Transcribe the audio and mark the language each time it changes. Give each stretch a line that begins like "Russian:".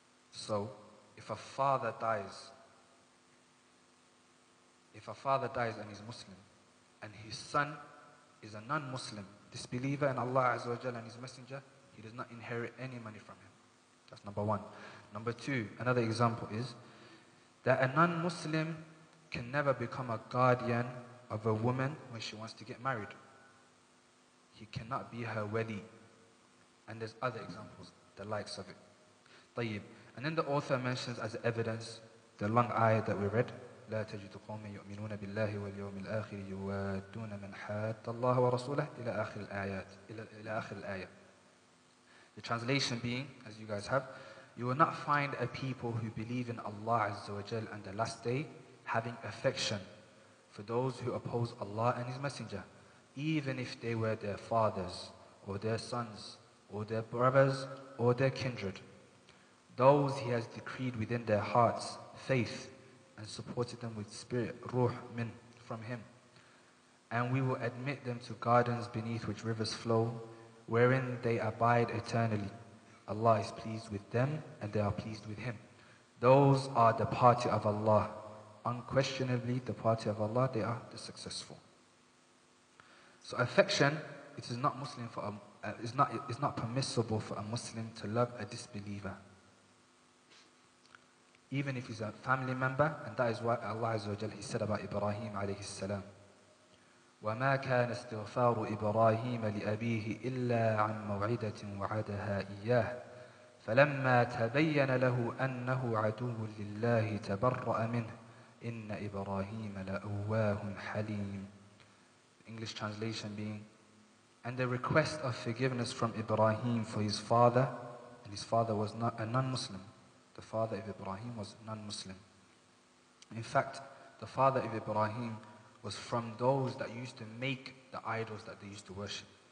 English: So if a father dies and he's Muslim, and his son is a non-Muslim, disbeliever in Allah Azza wa Jal and his Messenger, he does not inherit any money from him. That's number one. Number two, another example is that a non-Muslim can never become a guardian of a woman when she wants to get married. He cannot be her wali. And there's other examples, the likes of it.
Arabic: طيب.
English: And then the author mentions as evidence the long ayah that we read,
Arabic: لا تجد قوم يؤمنون بالله واليوم الآخر يوادون من حاد الله ورسوله إلى آخر الآيات إلى آخر الآية.
English: The translation being, as you guys have, you will not find a people who believe in Allah Azza wa Jal and the last day having affection for those who oppose Allah and his Messenger, even if they were their fathers or their sons or their brothers or their kindred. Those he has decreed within their hearts faith and supported them with spirit, ruh min, from him. And we will admit them to gardens beneath which rivers flow, wherein they abide eternally. Allah is pleased with them and they are pleased with him. Those are the party of Allah. Unquestionably, the party of Allah, they are the successful. So affection, it is not Muslim for it's not permissible for a Muslim to love a disbeliever, even if he's a family member. And that is why Allah Azza wa Jal, he said about Ibrahim alayhi salam,
Arabic: وَمَا كَانَ اسْتِغْفَارُ إِبْرَاهِيمَ لِأَبِيهِ إِلَّا عَنْ مَوْعِدَةٍ وَعَدَهَا إِيَّاهِ فَلَمَّا تَبَيَّنَ لَهُ أَنَّهُ عَدُوٌّ لِلَّهِ تَبَرَّأَ مِنْهِ إِنَّ إِبْرَاهِيمَ لَأَوَّاهٌ حَلِيمٌ.
English: English translation being, and the request of forgiveness from Ibrahim for his father, and his father was not a non-Muslim. The father of Ibrahim was non-Muslim. In fact, the father of Ibrahim was from those that used to make the idols that they used to worship.